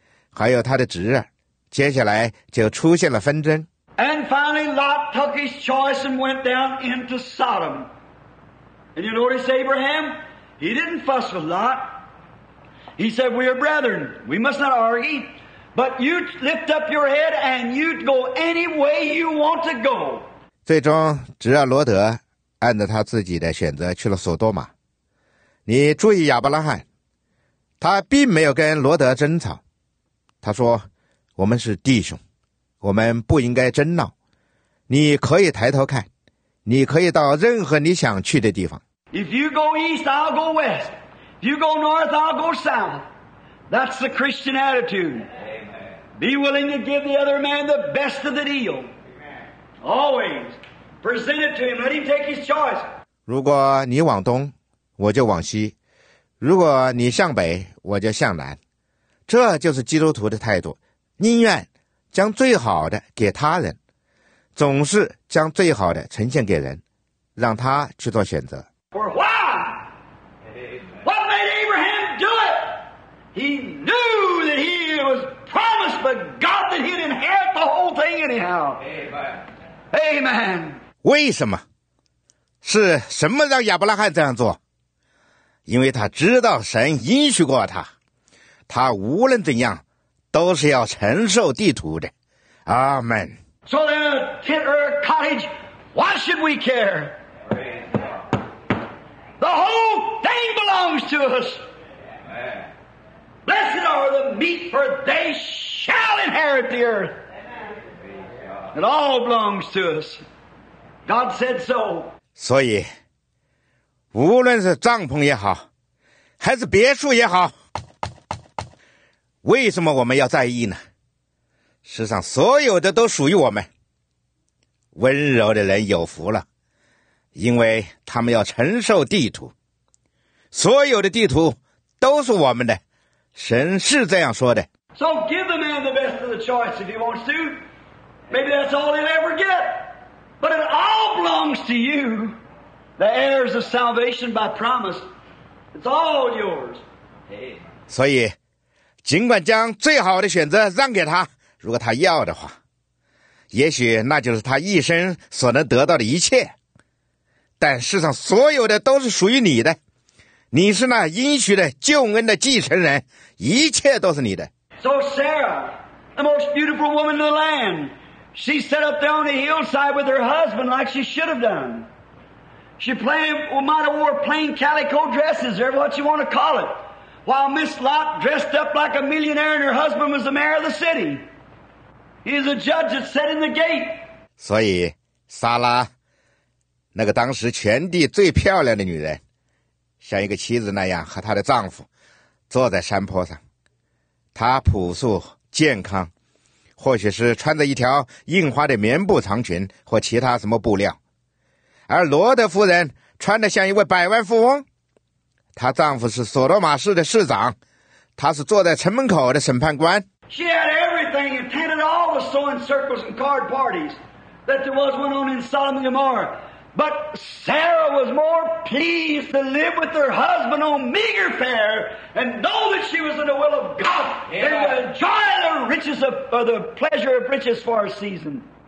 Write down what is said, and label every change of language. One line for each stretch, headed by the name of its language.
Chinese: 还有他的侄儿，接下来就出现了纷争。
English: And finally, Lot took his choice and went down into Sodom. And you notice Abraham, he didn't fuss with Lot. He said, "We are brethren. We must not argue. But you lift up your head and you go any way you want to go."
Chinese: 最终，侄儿罗德按照他自己的选择去了索多玛。你注意亚伯拉罕，他并没有跟罗德争吵。他说我们是弟兄，我们不应该争闹，你可以抬头看，你可以到任何你想去的地方。
English: If you go east, I'll go west. If you go north, I'll go south. That's the Christian attitude. Be willing to give the other man the best of the deal. Always present it to him. Let him take his choice.
Chinese: 如果你往东，我就往西，如果你向北，我就向南。这就是基督徒的态度，宁愿将最好的给他人，总是将最好的呈现给人，让他去做选择。
English: For why? What made Abraham do it? He knew that he was promised by God that he'd inherit the whole thing anyhow. Amen. Amen.
Chinese: 为什么？是什么让亚伯拉罕这样做？因为他知道神应许过他。他无论怎样都是要承受地图的。阿们。
English: So then a tent or a cottage, why should we care? The whole thing belongs to us. Blessed are the meek, for they shall inherit the earth. It all belongs to us. God said so.
Chinese: 所以无论是帐篷也好，还是别墅也好，为什么我们要在意呢？世上所有的都属于我们。温柔的人有福了，因为他们要承受地土，所有的地土都是我们的，神是这样说的。
English: So give the man the best of the choice if he wants to. Maybe that's all he'll ever get. But it all belongs to you. The heirs of salvation by promise. It's all yours.
Chinese: 所以尽管将最好的选择让给他，如果他要的话，也许那就是他一生所能得到的一切。但世上所有的都是属于你的，你是那应许的救恩的继承人，一切都是你的。
English: So Sarah, the most beautiful woman in the land, she sat up there on the hillside with her husband like she should have done. She might have wore plain calico dresses or what you want to call it, while Miss Lot dressed up like a millionaire and her husband was the mayor of the city. He is a judge that sat in the gate.
Chinese: 所以，撒拉，那个当时全地最漂亮的女人，像一个妻子那样和她的丈夫坐在山坡上，她朴素健康，或许是穿着一条印花的棉布长裙或其他什么布料，而罗德夫人穿得像一位百万富翁，她丈夫是索罗马市的市长，她是坐在城门口的审判官。
English: She had everything and tended all the sewing circles and card parties that there was went on in Sodom and Gomorrah. But Sarah was more pleased to live with her husband on meager fare and know that she was in the will of God than to enjoy the riches of, or the pleasure of riches for a season.